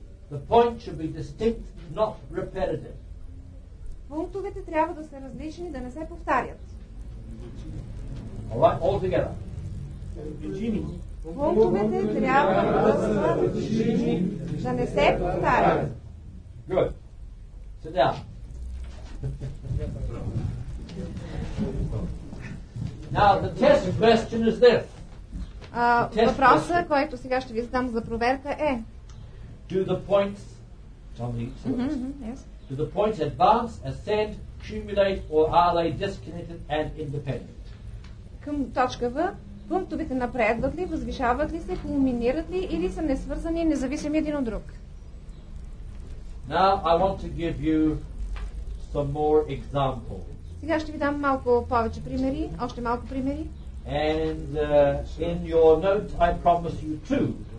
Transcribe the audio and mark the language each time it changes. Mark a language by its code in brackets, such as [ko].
[en] The point should be distinct, not repetitive. [bg] Пунктовете трябва да са различни, да не се повтарят. [en] All right, all together. [bg] Пунктовете трябва да са различни, да не се повтарят. [en] Good. Sit down. Now the test question is this. [bg] Въпросът, който сега ще ви задам за проверка е: [en] Do the points on the mm-hmm, yes. Do the points advance, ascend, accumulate, or are they disconnected and independent? [bg] Към точка В, пунктовете напредват ли, възвишават ли се, кулминират ли или са несвързани, независими един от друг? [en] Now I want to give you some more examples. [bg] Сега ще ви дам малко повече примери, още малко примери. [en] And in your notes I promise you two.